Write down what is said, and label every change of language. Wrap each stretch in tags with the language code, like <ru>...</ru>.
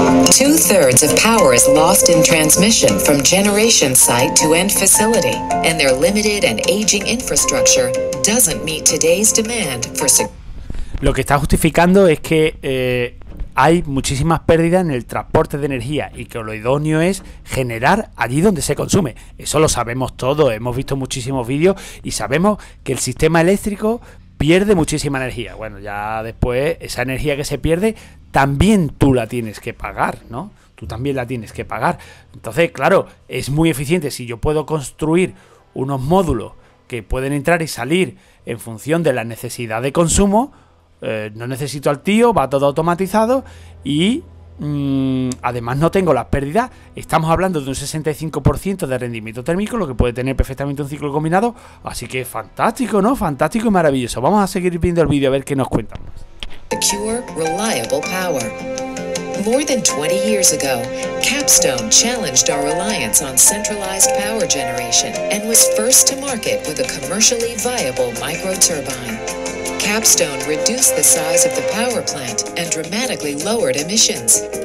<en>Two-thirds of power is lost in transmission from generation site to end facility, and their limited and aging infrastructure doesn't meet today's demand for</en> <es>Lo que está justificando es que hay muchísimas pérdidas en el transporte de energía y que lo idóneo es generar allí donde se consume. Eso lo sabemos todos, hemos visto muchísimos vídeos y sabemos que el sistema eléctrico pierde muchísima energía. Bueno, ya después esa energía que se pierde también tú la tienes que pagar, ¿no? Tú también la tienes que pagar. Entonces, claro, es muy eficiente. Si yo puedo construir unos módulos que pueden entrar y salir en función de la necesidad de consumo, no necesito al tío, va todo automatizado y además no tengo las pérdidas. Estamos hablando de un 65% de rendimiento térmico, lo que puede tener perfectamente un ciclo combinado. Así que fantástico, ¿no? Fantástico y maravilloso. Vamos a seguir viendo el vídeo a ver qué nos cuentan.</es> <en>Secure, reliable power. More than 20 years ago, Capstone challenged our reliance on centralized power generation and was first to market with a commercially viable microturbine. Capstone reduced the size of the power plant and dramatically lowered emissions.</en>